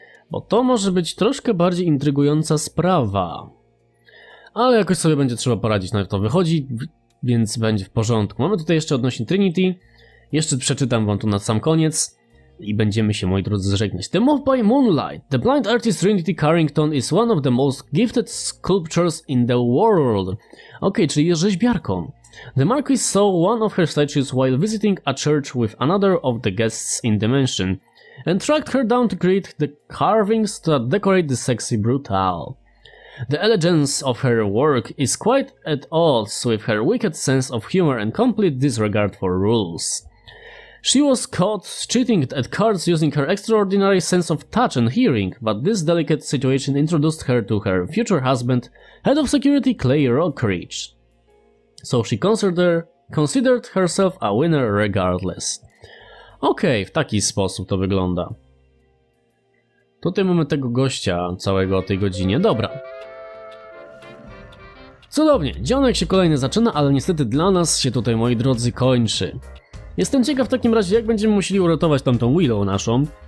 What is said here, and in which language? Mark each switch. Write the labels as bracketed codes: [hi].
[pl] Bo to może być troszkę bardziej intrygująca sprawa. Ale jakoś sobie będzie trzeba poradzić, nawet to wychodzi, więc będzie w porządku. Mamy tutaj jeszcze odnośnie Trinity, jeszcze przeczytam wam tu na sam koniec. I będziemy się, moi drodzy, żegnać. [en] The Move by Moonlight. The blind artist Trinity Carrington is one of the most gifted sculptors in the world. [pl] Okej, czyli jest rzeźbiarką. [en] The Marquis saw one of her statues while visiting a church with another of the guests in the mansion and tracked her down to create the carvings to decorate the sexy brutal. The elegance of her work is quite at odds with her wicked sense of humor and complete disregard for rules. She was caught cheating at cards using her extraordinary sense of touch and hearing, but this delicate situation introduced her to her future husband, head of security Clay Rockridge. So she considered herself a winner regardless. [pl] Okej, w taki sposób to wygląda. Tutaj mamy tego gościa całego o tej godzinie. Dobra. Cudownie, dzionek się kolejny zaczyna, ale niestety dla nas się tutaj, moi drodzy, kończy. Jestem ciekaw w takim razie, jak będziemy musieli uratować tamtą Willow naszą.